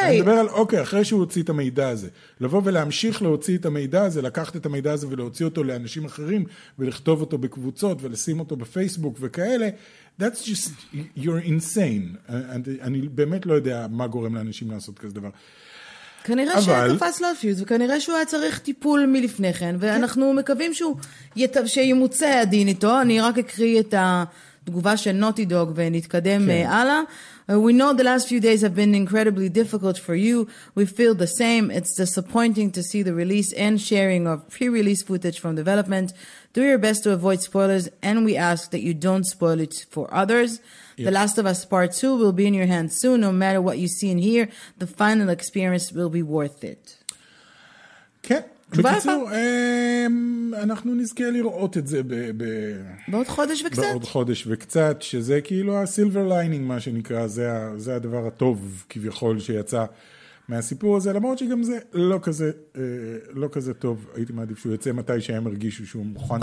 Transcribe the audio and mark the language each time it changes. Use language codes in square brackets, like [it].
[he] אני מדבר על, אוקיי, אחרי שהוא הוציא את המידע הזה, לבוא ולהמשיך להוציא את המידע הזה, לקחת את המידע הזה ולהוציא אותו לאנשים אחרים, ולכתוב אותו בקבוצות, ולשים אותו בפייסבוק וכאלה, [en] that's just, you're insane. [he] אני באמת לא יודע מה גורם לאנשים לעשות כזה דבר. כנראה אבל... שתפס לו פיוז, וכנראה שהוא היה צריך טיפול מלפני כן, ואנחנו כן. מקווים שהוא שימוצא הדין איתו. אני רק אקריא את התגובה של Naughty Dog ונתקדם כן. הלאה. [en] We know the last few days have been incredibly difficult for you. We feel the same. It's disappointing to see the release and sharing of pre-release footage from development. Do your best to avoid spoilers, and we ask that you don't spoil it for others. Yep. The Last of Us Part 2 will be in your hands soon. No matter what you see and hear, the final experience will be worth it. [he] כן. בקיצור, אנחנו נזכה לראות את זה בעוד חודש וקצת. בעוד חודש וקצת, שזה כאילו הסילבר ליינינג, מה שנקרא, זה הדבר הטוב כביכול שיצא מהסיפור הזה, למרות שגם זה לא כזה טוב, הייתי מעדיף שהוא יצא מתי שהם הרגישו שהוא מוכן.